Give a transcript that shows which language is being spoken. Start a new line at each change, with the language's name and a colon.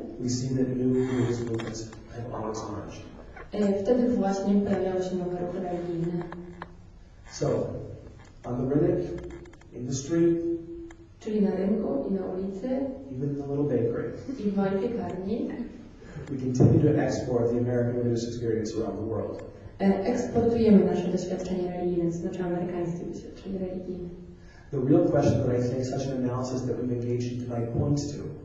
English: we see that new religious movements have always emerged.
Polish: Wtedy właśnie pojawiały się nowe ruchy religijne.
English: So, on the riddick, in the street,
Polish: czyli na rynku i na ulicy,
English: even in the little bakery,
Polish: i w małej piekarni,
English: we continue to export the American religious experience around the world.
Polish: Eksportujemy nasze doświadczenie religijne, znaczy amerykańskie doświadczenie religijne.
English: The real question that I think such an analysis that we've engaged in tonight points to.